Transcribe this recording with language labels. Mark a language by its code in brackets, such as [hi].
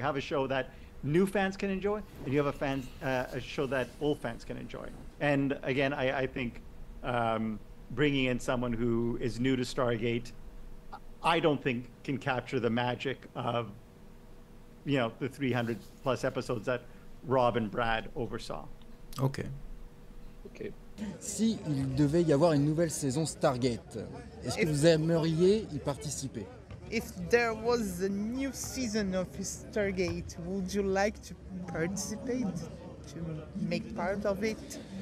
[en] You have a show that new fans can enjoy, and you have a show that old fans can enjoy. And again, I think bringing in someone who is new to Stargate, I don't think can capture the magic of, you know, the 300 plus episodes that Rob and Brad oversaw. Okay. Okay. [fr] Si il devait y avoir une nouvelle saison Stargate, est-ce que vous aimeriez y participer? [en] If there was a new season of Stargate, would you like to participate, to make part of it?